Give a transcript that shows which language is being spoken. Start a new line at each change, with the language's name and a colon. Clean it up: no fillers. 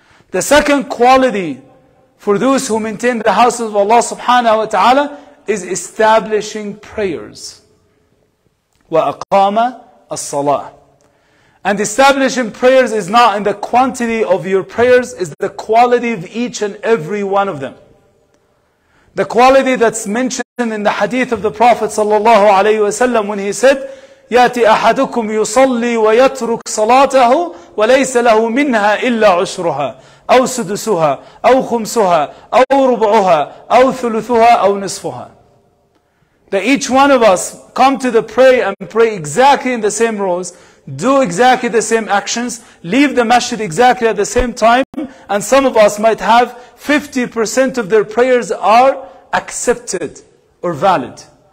English: The second quality for those who maintain the houses of Allah subhanahu wa ta'ala is establishing prayers.
Arabic: وَأَقَامَ الصَّلَاةِ.
English: And establishing prayers is not in the quantity of your prayers, it's the quality of each and every one of them. The quality that's mentioned in the hadith of the Prophet sallallahu alayhi wa sallam when he said,
Arabic: يَأْتِ أَحَدُكُمْ يُصَلِّي وَيَتْرُكْ صَلَاتَهُ وَلَيْسَ لَهُ مِنْهَا إِلَّا عُشْرُهَا أَوْ سُدُسُهَا أَوْ خُمْسُهَا أَوْ رُبْعُهَا أَوْ ثُلُثُهَا أَوْ نِصْفُهَا.
English: That each one of us come to the pray and pray exactly in the same rows, do exactly the same actions, leave the masjid exactly at the same time, and some of us might have 50% of their prayers are accepted or valid.